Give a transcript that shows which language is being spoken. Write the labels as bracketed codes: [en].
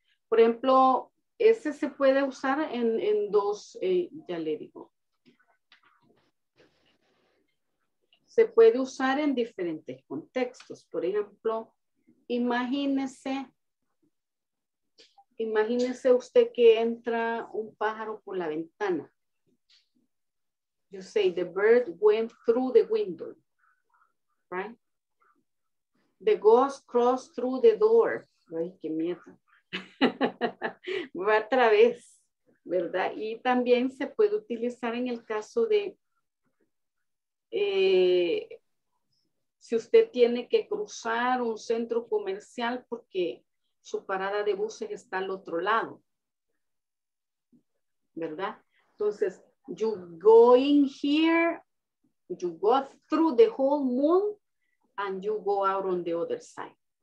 [es] Por ejemplo, ese se puede usar en dos, ya le digo. Se puede usar en diferentes contextos. Por ejemplo, Imagínese usted que entra un pájaro por la ventana. [en] You say the bird went through the window. Right? The ghost crossed through the door. [es] Ay, qué miedo. Va a través, ¿verdad? Y también se puede utilizar en el caso de si usted tiene que cruzar un centro comercial porque su parada de buses está al otro lado. ¿Verdad? Entonces, [en] you go in here, you go through the whole mall, and you go out on the other side.